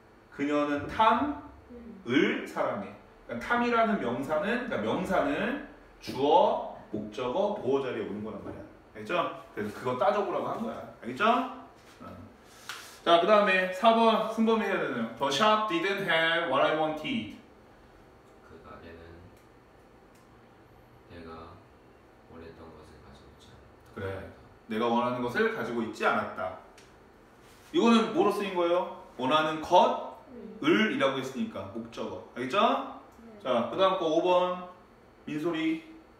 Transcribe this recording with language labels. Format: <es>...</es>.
<ko>그녀는 Tom을 사랑해. 그러니까 Tom이라는 명사는, 그러니까 명사는 주어, 목적어, 보호 자리에 오는 거란 말이야. 알겠죠? 그래서 그거 따져보라고 한 거야. 알겠죠? 자, 그 다음에 4번 승범이 해야 되네요.</ko> <en>The shop didn't have what I wanted.</en> <ko>그 가게는 내가 원했던 것을 가지고 있지 않았다. 그래, 내가 원하는 것을 가지고 있지 않았다. 이거는 뭐로 쓰인 거예요? 원하는 것을 이라고 했으니까 목적어. 알겠죠? 네. 자, 그 다음 거 5번 민소리.</ko>